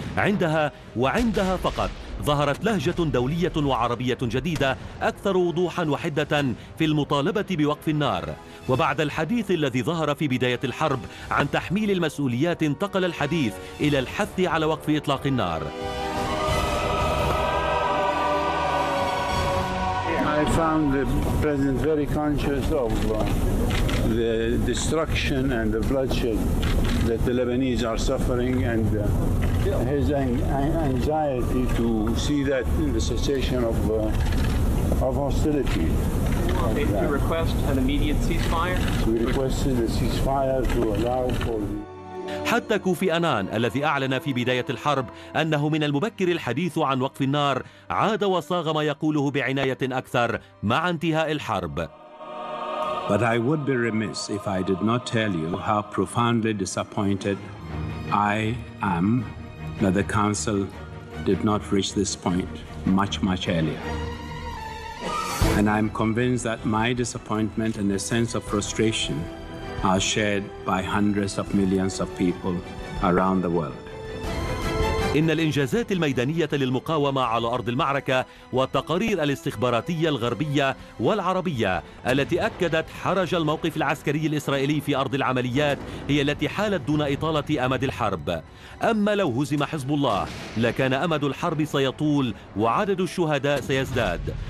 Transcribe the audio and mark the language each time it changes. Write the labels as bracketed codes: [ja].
[ar] عندها وعندها فقط ظهرت لهجة دولية وعربية جديدة أكثر وضوحاً وحدة في المطالبة بوقف النار. وبعد الحديث الذي ظهر في بداية الحرب عن تحميل المسؤوليات انتقل الحديث إلى الحث على وقف إطلاق النار. [en] I found the president very conscious of the destruction and the bloodshed that the Lebanese are suffering, and his anxiety to see that in the cessation of hostility. Did you request an immediate ceasefire? We requested a ceasefire to allow for the. [ar] حتى كوفي أنان الذي أعلن في بداية الحرب أنه من المبكر الحديث عن وقف النار عاد وصاغ ما يقوله بعناية أكثر مع انتهاء الحرب. [en] But I would be remiss if I did not tell you how profoundly disappointed I am that the council did not reach this point much, much earlier. And I'm convinced that my disappointment and a sense of frustration are shared by hundreds of millions of people around the world. [ar] إن الإنجازات الميدانية للمقاومة على أرض المعركة والتقارير الاستخباراتية الغربية والعربية التي أكدت حرج الموقف العسكري الإسرائيلي في أرض العمليات هي التي حالت دون إطالة أمد الحرب. أما لو هزم حزب الله لكان أمد الحرب سيطول وعدد الشهداء سيزداد.